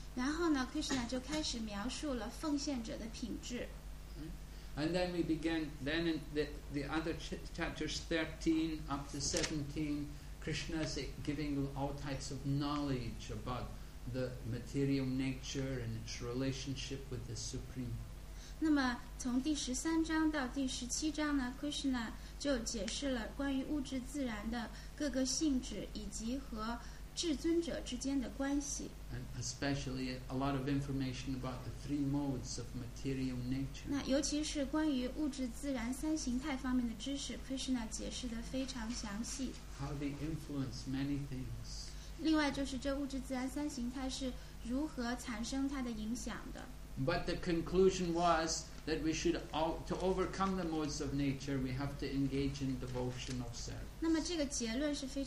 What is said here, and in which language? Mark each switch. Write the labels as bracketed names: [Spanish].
[Chinese] 然后呢， Krishna就开始描述了奉献者的品质。 [English] And then we began, then in the other chapters 13 up to 17, Krishna is giving all types of knowledge about the material nature and its relationship with the Supreme. [Chinese] 那么从第13章到第17章呢， Krishna就解释了关于物质自然的各个性质以及和至尊者之间的关系。 [English] And especially a lot of information about the three modes of material nature. [Chinese] 那尤其是关于物质自然三形态方面的知识， Krishna解释得非常详细。 [English] How they influence many things. [Chinese] 另外就是这物质自然三形态是如何产生它的影响的。 [English] But the conclusion was that we should to overcome the modes of nature, we have to engage in devotional service.